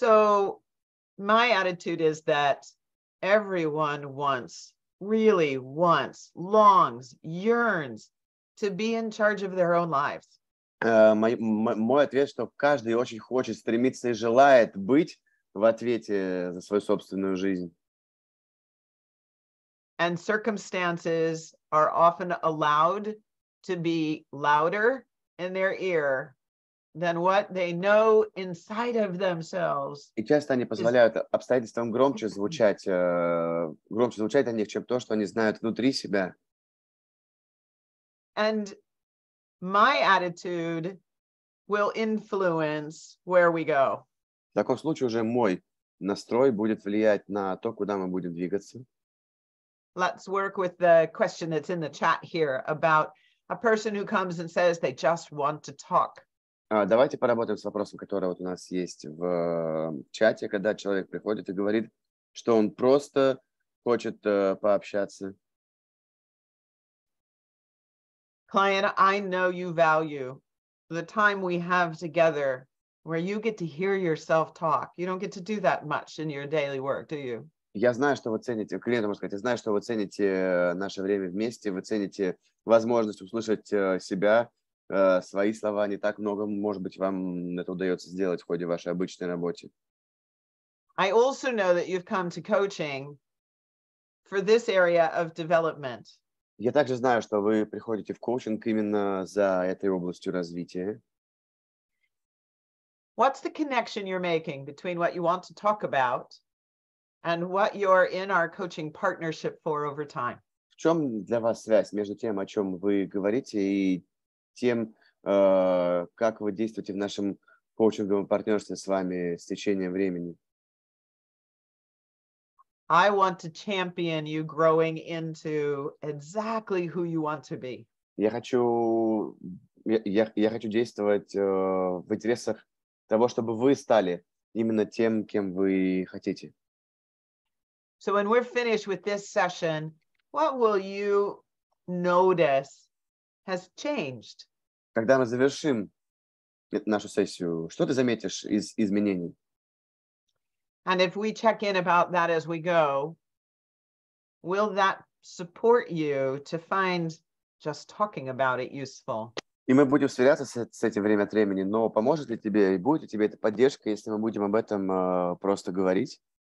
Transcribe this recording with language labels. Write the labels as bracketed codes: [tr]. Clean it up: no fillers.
[en] So my attitude is that everyone wants, really wants, longs, yearns to be in charge of their own lives. [ru] Мой ответ, что каждый очень хочет, стремится и желает быть в ответе за свою собственную жизнь. [en] And circumstances are often allowed to be louder in their ear than what they know inside of themselves. [ru] И часто они позволяют обстоятельствам громче звучать о них, чем то, что они знают внутри себя. [en] And my attitude will influence where we go. [ru] В таком случае уже мой настрой будет влиять на то, куда мы будем двигаться. [en] Let's work with the question that's in the chat here about a person who comes and says they just want to talk. [ru] Давайте поработаем с вопросом, который вот у нас есть в чате, когда человек приходит и говорит, что он просто хочет пообщаться. [en] Client, I know you value the time we have together where you get to hear yourself talk. You don't get to do that much in your daily work, do you? [ru] Я знаю, что вы цените, клиент, можно сказать, я знаю, что вы цените наше время вместе, вы цените возможность услышать себя, свои слова, не так много, может быть, вам это удается сделать в ходе вашей обычной работы. [en] I also know that you've come to coaching for this area of development. [ru] Я также знаю, что вы приходите в коучинг именно за этой областью развития. [en] What's the connection you're making between what you want to talk about and what you're in our coaching partnership for over time? [ru] В чем для вас связь между тем, о чем вы говорите, и тем, как вы действуете в нашем коучинговом партнерстве с вами с течением времени? [en] I want to champion you growing into exactly who you want to be. [ru] Я хочу действовать в интересах того, чтобы вы стали именно тем, кем вы хотите. [en] So when we're finished with this session, what will you notice has changed? [ru] Когда мы завершим нашу сессию, что ты заметишь из изменений? [en] And if we check in about that as we go, will that support you to find just talking about it useful? [ru] И мы будем сверяться с этим время от времени, но поможет ли тебе и будет ли тебе эта поддержка, если мы будем об этом просто говорить?